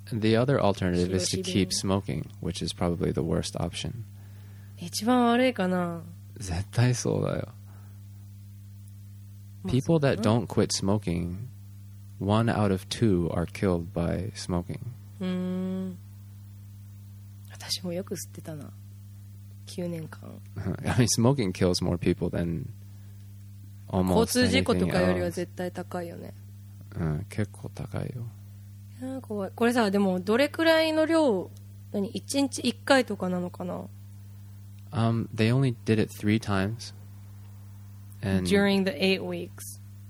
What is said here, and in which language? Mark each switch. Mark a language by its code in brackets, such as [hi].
[en] The other alternative is to keep smoking, which is probably the worst option. [ja] 一番悪いかな絶対そうだよ [en] People that don't quit smoking, one out of two are killed by smoking. [ja] 私もよく吸ってたな9年間 [en] I mean, smoking kills more people than almost anything else. [ja] 交通事故とかよりは絶対高いよねうん、結構高いよいや怖いこれさでもどれくらいの量何1日1回とかなのかな [en] They only did it three times and during the 8 weeks